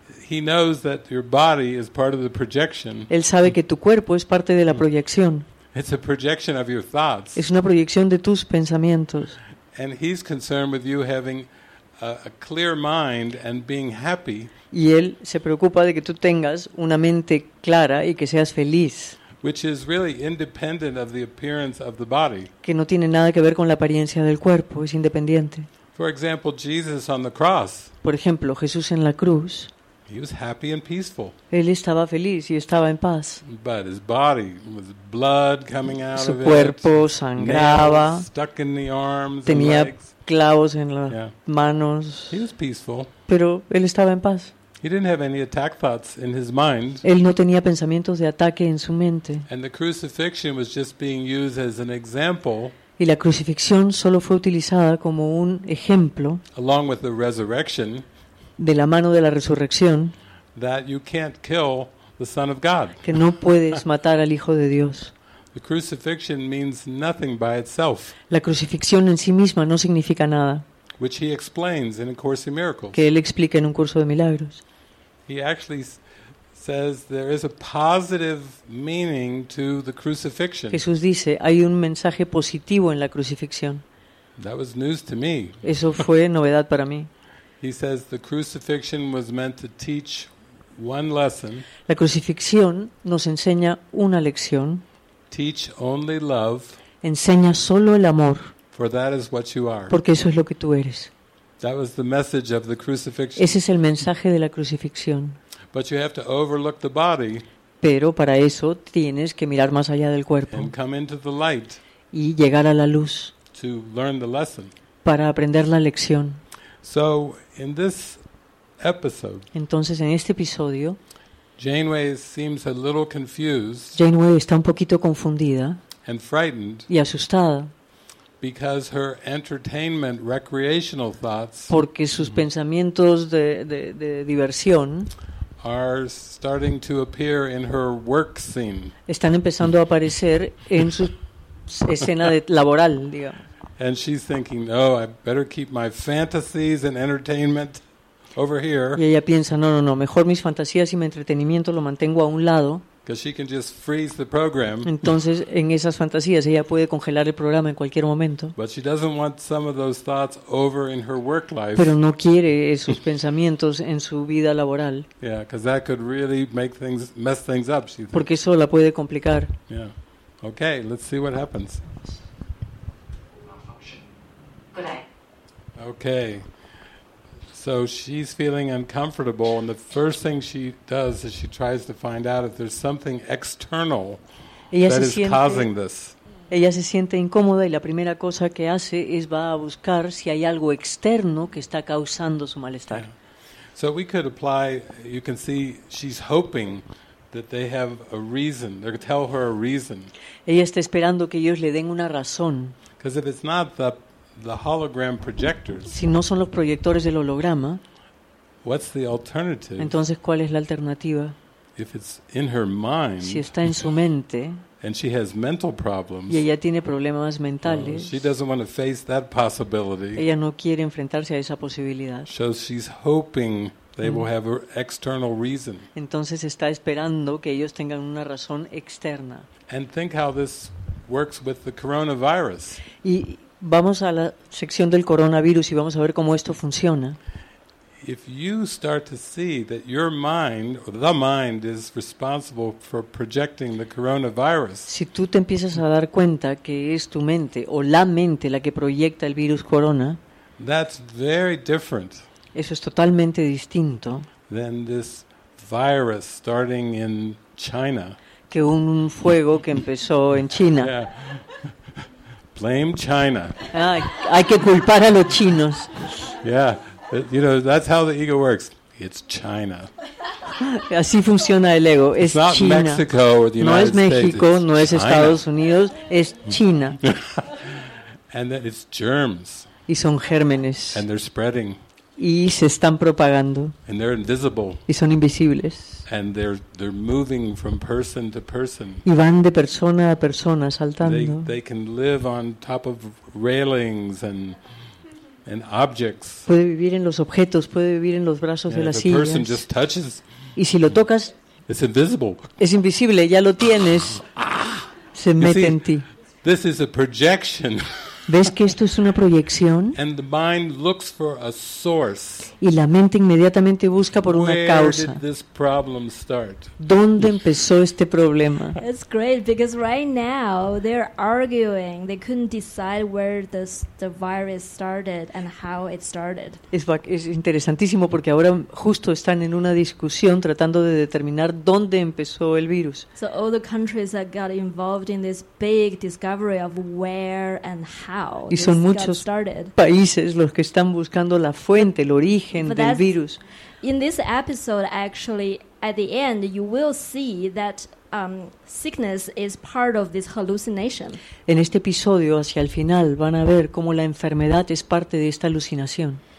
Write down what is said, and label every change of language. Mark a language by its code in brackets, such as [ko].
[en] He knows that your body is part of the projection. [es] Él sabe que tu cuerpo es parte de la proyección. [en] It's a projection of your thoughts. [es] Es una proyección de tus pensamientos. [en] And he's concerned with you having a clear mind and being happy. [es] Y él se preocupa de que tú tengas una mente clara y que seas feliz. [en] Which is really independent of the appearance of the body. [es] Que no tiene nada que ver con la apariencia del cuerpo, es independiente. [en] For example, Jesus on the cross. [es] Por ejemplo, Jesús en la cruz. [en] He was happy and peaceful. [es] Él estaba feliz y estaba en paz. [en] But his body was blood coming out of it. [es] Su cuerpo sangraba. [en] Nails stuck in the arms. [es] Tenía [en] and legs. [es] Clavos en las manos. [en] He was peaceful. [es] Pero él estaba en paz. [en] He didn't have any attack thoughts in his mind. [es] Él no tenía pensamientos de ataque en su mente. [en] And the crucifixion was just being used as an example. [es] Y la crucifixión solo fue utilizada como un ejemplo. [en] Along with the resurrection. [es] De la mano de la resurrección, [en] that you can't kill the Son of God. [es] Que no puedes matar al Hijo de Dios. [en] The crucifixion means nothing by itself. [es] La crucifixión en sí misma no significa nada. [en] Which he explains in a course of miracles. [es] Que él explica en un curso de milagros. [en] He actually says there is a positive meaning to the crucifixion. [es] Jesús dice, hay un mensaje positivo en la crucifixión. [en] That was news to me. [es] Eso fue novedad para mí. [en] He says the crucifixion was meant to teach one lesson. [es] La crucifixión nos enseña una lección. [en] Teach only love. [es] Enseña solo el amor. [en] For that is what you are. [es] Porque eso es lo que tú eres. [en] That was the message of the crucifixion. [es] Ese es el mensaje de la crucifixión. [en] But you have to overlook the body. [es] Pero para eso tienes que mirar más allá del cuerpo. [en] And come into the light. [es] Y llegar a la luz. [en] To learn the lesson. [es] Para aprender la lección. [en] So in this episode. [es] Entonces en este episodio. [en] Janeway seems a little confused. [es] Janeway está un poquito confundida. [en] And frightened. [es] Y asustada. [en] Because her entertainment, recreational thoughts. [es] Porque sus pensamientos de diversión. [en] Are starting to appear in her work scene. [es] Están empezando a aparecer en su escena de laboral, digamos. [en] And she's thinking, "Oh, I better keep my fantasies and entertainment over here." [es] Y ella piensa, no, mejor mis fantasías y mi entretenimiento lo mantengo a un lado. [en] Because she can just freeze the program. [es] Entonces, en esas fantasías, ella puede congelar el programa en cualquier momento. [en] But she doesn't want some of those thoughts over in her work life. [es] Pero no quiere esos pensamientos en su vida laboral. [en] Yeah, because that could really make things mess things up. She thinks. [es] Porque eso la puede complicar. [en] Yeah. Okay. Let's see what happens. Okay. So she's feeling uncomfortable, and the first thing she does is she tries to find out if there's something external that is causing this. [es] Ella se siente incómoda y la primera cosa que hace es va a buscar si hay algo externo que está causando su malestar. [en] Yeah. So we could apply, you can see she's hoping that they have a reason, they tell her a reason. [es] Ella está esperando que ellos le den una razón. [en] Because if it's not the hologram projectors. [es] Si no son los proyectores del holograma. [en] What's the alternative? [es] Entonces, ¿cuál es la alternativa? [en] If it's in her mind. [es] Si está en su mente. [en] And she has mental problems. [es] Y ella tiene problemas mentales. [en] She doesn't want to face that possibility. [es] Ella no quiere enfrentarse a esa posibilidad. [en] So she's hoping they will have an external reason. [es] Entonces está esperando que ellos tengan una razón externa. [en] And think how this works with the coronavirus. [es] Y vamos a la sección del coronavirus y vamos a ver cómo esto funciona. [en] If you start to see that your mind, or the mind, is responsible for projecting the coronavirus. [es] Si tú te empiezas a dar cuenta que es tu mente o la mente la que proyecta el virus corona. [en] That's very different. [es] Eso es totalmente distinto. [en] Than this virus starting in China. [es] Que un fuego que empezó en China. [en] Yeah. Blame China. [es] Hay que culpar a los chinos. [en] Yeah, you know that's how the ego works. It's China. [es] Así funciona el ego. Es [en] it's not China. Mexico or the [es] no [en] United States. [es] No es México, [en] States, [es] no es Estados Unidos, es China. [en] And then it's germs. [es] Y son gérmenes. [en] And they're spreading. [es] Y se están propagando. [en] And they're invisible. [es] Y son invisibles. [en] And they're moving from person to person. [es] Y van de persona a persona saltando. [en] They can live on top of railings and objects. [es] Puede vivir en los objetos, puede vivir en los brazos de las sillas. [en] And if a person just touches, [es] y si lo tocas, [en] it's invisible. [es] Es invisible, ya lo tienes. Se mete en ti. [en] This is a projection. [es] ¿Ves que esto es una proyección? [en] And the mind looks for a source. [es] Y la mente inmediatamente busca por [en] where [es] una causa. [en] Did this problem start? [es] ¿Dónde empezó este problema? [en] It's great because right now they're arguing. They couldn't decide where the virus started and how it started. [es] Es interesantísimo porque ahora justo están en una discusión tratando de determinar dónde empezó el virus. [en] So all the countries that got involved in this big discovery of where and how. [es] Y son muchos países los que están buscando la fuente, el origen del virus. [en] In this episode, actually, at the end, you will see that sickness is part of this hallucination. [es] En este episodio, hacia el final, van a ver cómo la enfermedad es parte de esta alucinación.